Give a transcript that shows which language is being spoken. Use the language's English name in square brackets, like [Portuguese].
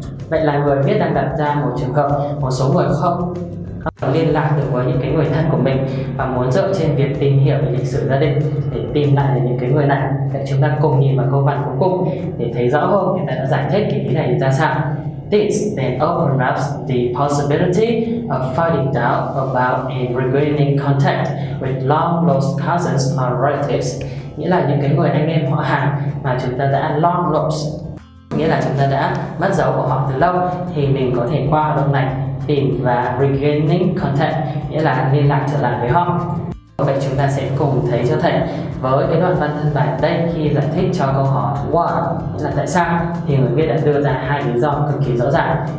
[Vietnamese] Vậy là người biết đang đặt ra một trường hợp một số người không liên lạc được với những cái người thân của mình, và muốn dựa trên việc tìm hiểu về lịch sử gia đình để tìm lại được những cái người này. Để chúng ta cùng nhìn vào câu văn cuối cùng để thấy rõ hơn người ta đã giải thích cái ý này ra sao. [English] This then opens up the possibility of finding out about and regaining contact with long lost cousins or relatives. [Vietnamese] Nghĩa là những cái người anh em họ hàng mà chúng ta đã [English] long lost, [Vietnamese] nghĩa là chúng ta đã mất dấu của họ từ lâu, thì mình có thể qua hoạt động này tìm và [English] regaining contact, [Vietnamese] nghĩa là liên lạc trở lại với họ. Vậy chúng ta sẽ cùng thấy cho thầy với cái đoạn văn thân bài đây, khi giải thích cho câu hỏi why, nghĩa là tại sao, thì người viết đã đưa ra hai lý do cực kỳ rõ ràng.